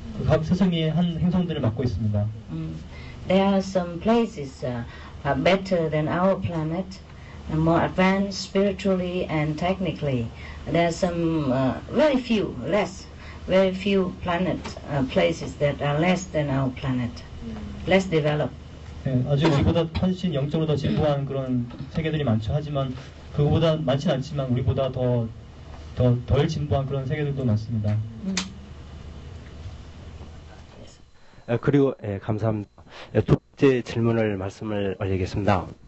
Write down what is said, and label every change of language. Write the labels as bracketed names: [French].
[Korean] 각 세상이 한 행성들을 맡고 있습니다. [English] There are some places better than our planet, and more advanced spiritually and technically. There are some very few planets, places that are less than our planet, less developed. [Korean] 네, 아주 우리보다 훨씬 영적으로 더 진보한 그런 세계들이 많죠. 하지만 그거보다 많진 않지만 우리보다 더 덜 진보한 그런 세계들도 많습니다. 예, 그리고 예, 감사합니다. 예, 둘째 질문을 말씀을 드리겠습니다.